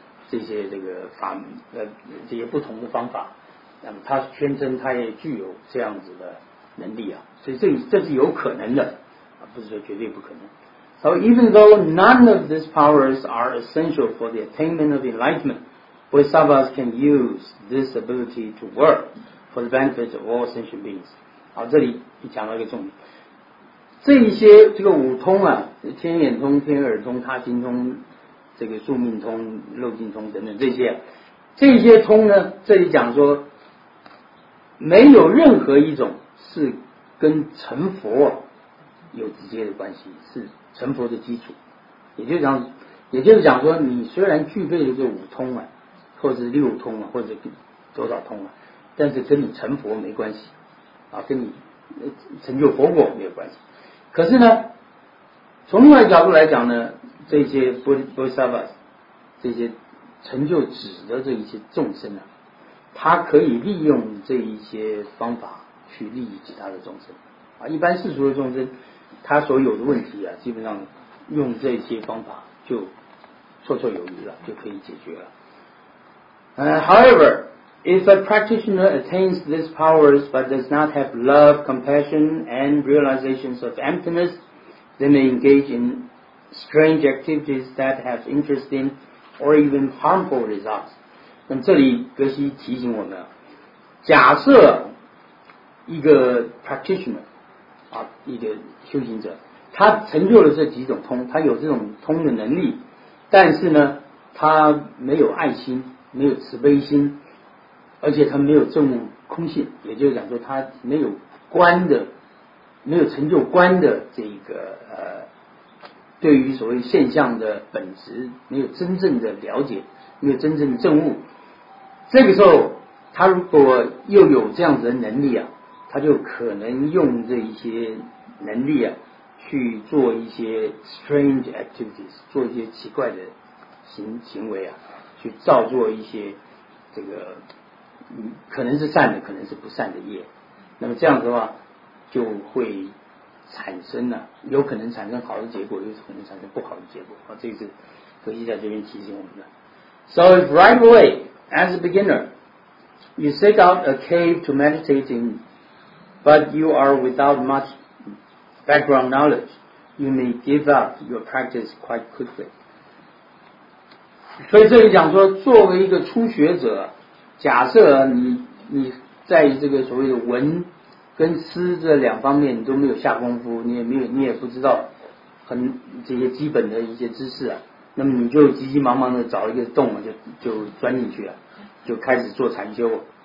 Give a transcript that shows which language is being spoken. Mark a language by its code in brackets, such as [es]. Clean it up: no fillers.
[zh] 这些这个法这些不同的方法，那么他宣称他也具有这样子的能力啊，所以这是有可能的，不是说绝对不可能。 [en] So even though none of these powers are essential for the attainment of enlightenment, Bodhisattvas can use this ability to work for the benefit of all sentient beings. [zh] 好，这里你讲到一个重点，这一些这个五通啊，天眼通、天耳通、他心通。这个宿命通、漏尽通等等这些通呢，这里讲说没有任何一种是跟成佛有直接的关系，是成佛的基础。也就是讲说你虽然具备了这五通啊，或者六通啊，或者多少通啊，但是跟你成佛没关系啊，跟你成就佛果没有关系。可是呢，从另外一个角度来讲呢，这些 Bodhisattvas 这些成就止的这一些众生啊，他可以利用这一些方法去利益其他的众生啊。一般世俗的众生他所有的问题啊，基本上用这些方法就绰绰有余了，就可以解决了。 [en] However, if a practitioner attains these powers but does not have love, compassion and realizations of emptiness, they may engage in strange activities that have interesting or even harmful results。 [zh] 那这里格西提醒我们，假设一个 practitioner 啊，一个修行者，他成就了这几种通，他有这种通的能力，但是呢他没有爱心，没有慈悲心，而且他没有正空性，也就是讲说他没有观的，没有成就观的这一个对于所谓现象的本质没有真正的了解，没有真正的证悟，这个时候他如果又有这样子的能力啊，他就可能用这一些能力啊去去做一些 [en] strange activities， [zh] 做一些奇怪的 行为啊，去造作一些这个可能是善的可能是不善的业，那么这样的话就会产生了，有可能产生好的结果，有可能产生不好的结果。这个是格西在这边提醒我们的。 [en] So if right away as a beginner you seek out a cave to meditate in but you are without much background knowledge you may give up your practice quite quickly。 [zh] 所以这里讲说，作为一个初学者，假设 你在这个所谓的文跟思这两方面你都没有下功夫，你也没有，你也不知道很这些基本的一些知识啊，那么你就急急忙忙的找一个洞就钻进去了，就开始做禅修。